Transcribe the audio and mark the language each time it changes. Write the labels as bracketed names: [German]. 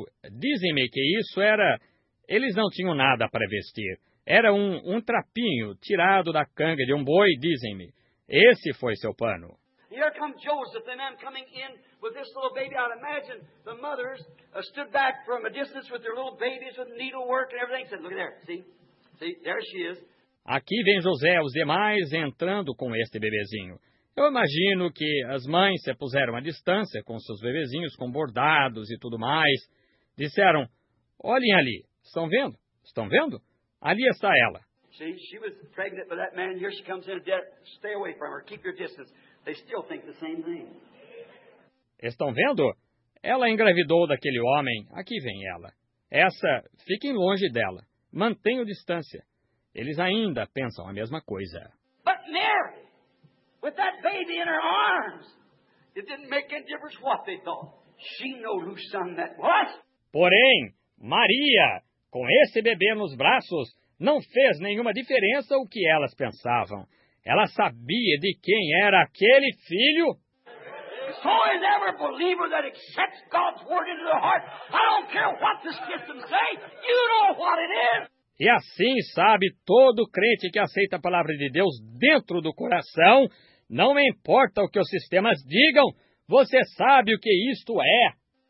[Portuguese] Dizem-me que isso era... Eles não tinham nada para vestir. Era um trapinho tirado da canga de um boi, dizem-me. Esse foi seu pano. [English] Here come Joseph and them coming in with this little baby. I'd imagine the mothers stood back from a distance with their little babies with needlework and everything. Said, look at there, see, there she is. [Portuguese] Aqui vem José, os demais entrando com este bebezinho. Eu imagino que as mães se puseram à distância com seus bebezinhos, com bordados e tudo mais. Disseram, olhem ali, estão vendo? Estão vendo? Ali está ela. [English] See, she was pregnant by that man. Here she comes in. Stay away from her. Keep your distance. They still think the same thing. [Portuguese] Estão vendo? Ela engravidou daquele homem. Aqui vem ela. Essa, fiquem longe dela. Mantenham distância. Eles ainda pensam a mesma coisa. [English] But Mary, with that baby in her arms, it didn't make any difference what they thought. She knew whose son that was. [Portuguese] Porém, Maria, com esse bebê nos braços, não fez nenhuma diferença o que elas pensavam. Ela sabia de quem era aquele filho. [English] So is every believer that accepts God's word into their heart. I don't care what the system says. You know what it is. [Portuguese] E assim sabe todo crente que aceita a palavra de Deus dentro do coração. Não importa o que os sistemas digam, você sabe o que isto é.